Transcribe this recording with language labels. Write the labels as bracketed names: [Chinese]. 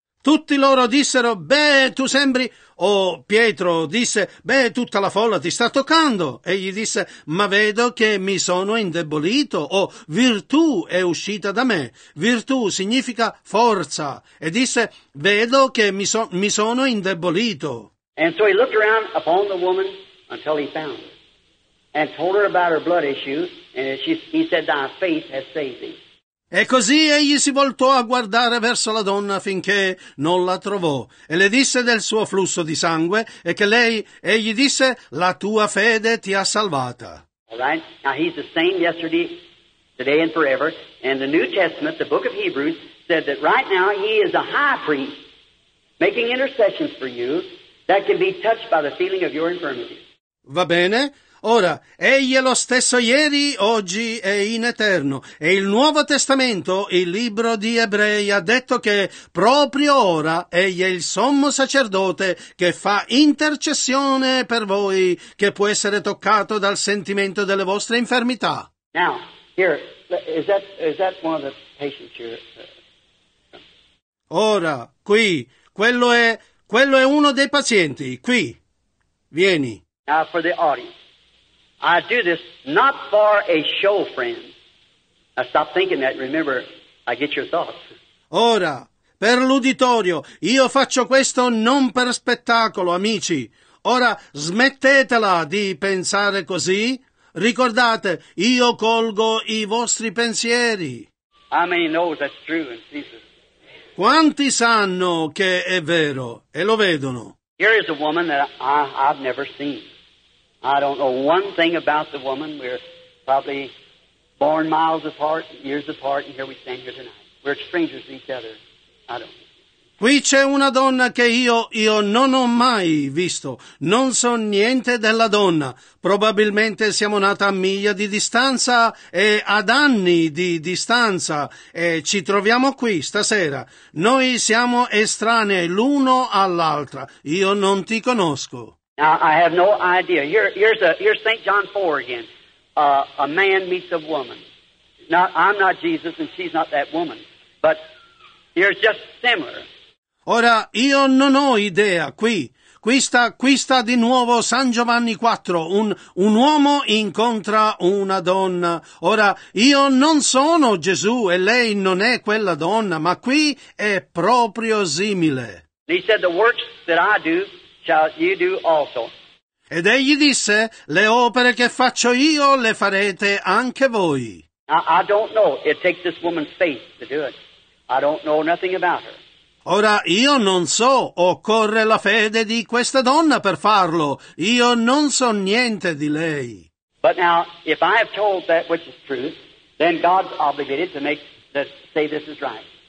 [Italian] Tutti loro dissero, beh, tu sembri, o Pietro disse, beh, tutta la folla ti sta toccando. E gli disse, ma vedo che mi sono indebolito, o virtù è uscita da me. Virtù significa forza. E disse, vedo che mi sono indebolito. [English] And so he looked around upon the woman until he found her. and told her about her blood issue, and he said, "Thy faith has saved thee." [Italian] E così egli si voltò a guardare verso la donna finché non la trovò, e le disse del suo flusso di sangue, e che lei, egli disse, la tua fede ti ha salvata. [English] All right. Now he's the same yesterday, today and forever. And the New Testament, the book of Hebrews, said that right now he is a high priest making intercessions for you that can be touched by the feeling of your infirmity. [Italian] Va bene? Ora, egli è lo stesso ieri, oggi e in eterno. E il Nuovo Testamento, il libro di Ebrei, ha detto che proprio ora egli è il sommo sacerdote che fa intercessione per voi, che può essere toccato dal sentimento delle vostre infermità. [English] Now, here, is that one of the patients here? [Italian] Ora, qui, quello è uno dei pazienti, qui. Vieni. [English] Now for the audience. I do this not for a show, friend. Now stop thinking that. Remember, I get your thoughts. [Italian] Ora, per l'uditorio, io faccio questo non per spettacolo, amici. Ora, smettetela di pensare così. Ricordate, io colgo i vostri pensieri. [English] How many know that's true in Jesus? [Italian] Quanti sanno che è vero e lo vedono? [English] Here is a woman that I've never seen. I don't know one thing about the woman. We're probably born miles apart, years apart, and here we stand here tonight. We're strangers to each other. I don't know. [Italian] Qui c'è una donna che io non ho mai visto. Non so niente della donna. Probabilmente siamo nata a miglia di distanza e ad anni di distanza. E ci troviamo qui stasera. Noi siamo estranei l'uno all'altra. Io non ti conosco. [English] Now, I have no idea. Here's St. John 4 again. A man meets a woman. Now, I'm not Jesus and she's not that woman. But here's just similar. [Italian] Ora, io non ho idea, qui. Qui sta di nuovo San Giovanni 4. Un uomo incontra una donna. Ora, io non sono Gesù e lei non è quella donna, ma qui è proprio simile. [English] He said, the works that I do, shall you do also. [Italian] Ed egli disse, le opere che faccio io le farete anche voi. [English] I don't know. It takes this woman's faith to do it. I don't know nothing about her. [Italian] Ora io non so, occorre la fede di questa donna per farlo. Io non so niente di lei. [English] But now, if I have told that which is truth, then God's obligated to make that say this is right.